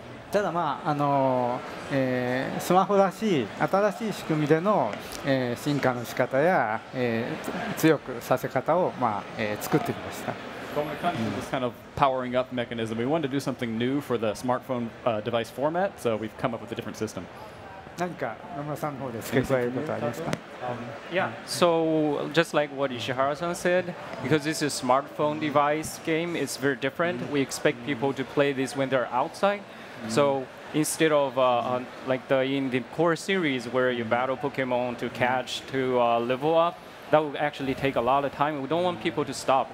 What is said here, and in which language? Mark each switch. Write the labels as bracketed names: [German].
[Japanese] ただ、まあスマホらしい新しい仕組みでの、進化の仕方や、強くさせ方を、まあ作ってみました。 [English] But when it comes to this kind of powering up mechanism, we wanted to do something new for the smartphone device format, so we've come up with a different system. [Japanese] 何か野村さんの方で付け加えることありますか？ [English] Yeah, so just like what Ishihara-san said, because this is a smartphone device game, it's very different. We expect people to play this when they're outside. So instead of like the, in the core series where you battle Pokemon to catch, to level up,That will actually take a lot of time. We don't want people to stop.